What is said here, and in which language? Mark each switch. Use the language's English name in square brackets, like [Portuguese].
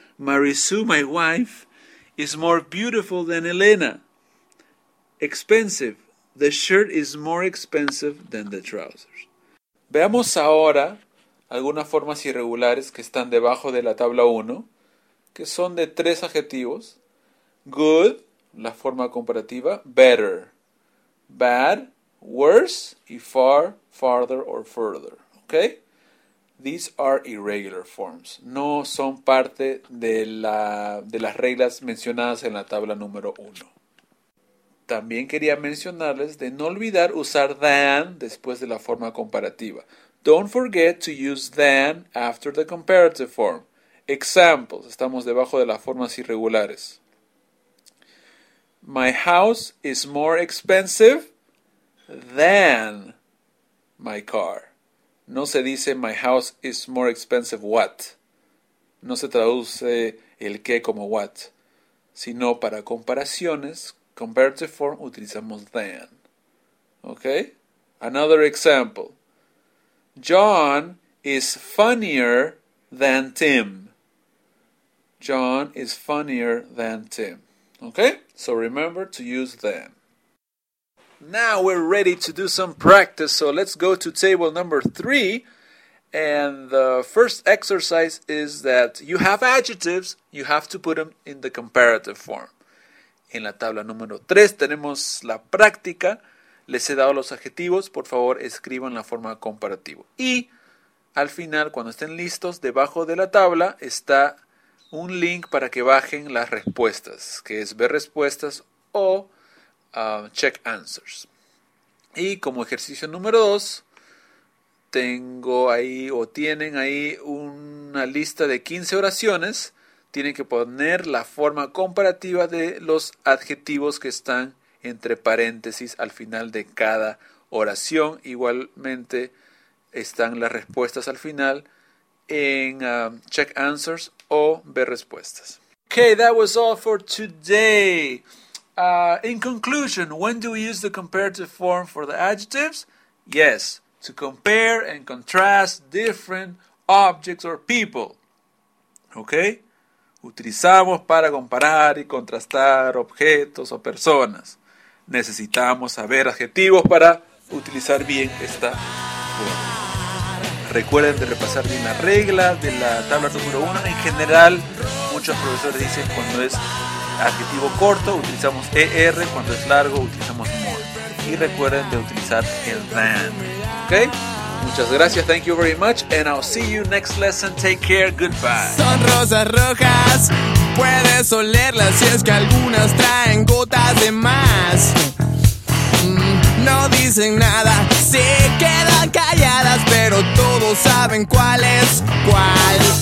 [English] Marisu, my wife, is more beautiful than Elena. Expensive. The shirt is more expensive than the trousers. [Spanish] Veamos ahora algunas formas irregulares que están debajo de la tabla 1, que son de 3 adjetivos. [English] Good, [Spanish] la forma comparativa, [English] better. Bad, worse, y far, farther or further. Okay? These are irregular forms. [Spanish] No son parte de las reglas mencionadas en la tabla número 1. También quería mencionarles de no olvidar usar than después de la forma comparativa. [English] Don't forget to use than after the comparative form. Examples. [Spanish] Estamos debajo de las formas irregulares. [English] My house is more expensive than my car. [Spanish] No se dice [English] my house is more expensive what. [Spanish] No se traduce el qué como what. Sino para comparaciones, comparative form, utilizamos than. Okay? [English] Another example. John is funnier than Tim. John is funnier than Tim. Okay? So remember to use than. Now we're ready to do some practice. So let's go to table number 3. And the first exercise is that you have adjectives. You have to put them in the comparative form. [Spanish] En la tabla número 3 tenemos la práctica. Les he dado los adjetivos. Por favor, escriban la forma comparativa. Y al final, cuando estén listos, debajo de la tabla está un link para que bajen las respuestas, que es ver respuestas o check answers. Y como ejercicio número 2, tengo ahí o tienen ahí una lista de 15 oraciones. Tienen que poner la forma comparativa de los adjetivos que están entre paréntesis al final de cada oración. Igualmente están las respuestas al final en check answers o ver respuestas. [English] Okay, that was all for today. In conclusion, when do we use the comparative form for the adjectives? Yes, to compare and contrast different objects or people. [Spanish] Okay? Utilizamos para comparar y contrastar objetos o personas. Necesitamos saber adjetivos para utilizar bien esta forma. Recuerden de repasar bien las reglas de la tabla número 1. En general, muchos profesores dicen cuando es adjetivo corto utilizamos ER, cuando es largo utilizamos more. Y recuerden de utilizar el than. ¿Okay? Muchas gracias, [English] thank you very much, and I'll see you next lesson. Take care, goodbye. [Spanish] Son rosas rojas, puedes olerlas si es que algunas traen gotas de más. No dicen nada, se quedan calladas, pero todos saben cuál es cuál.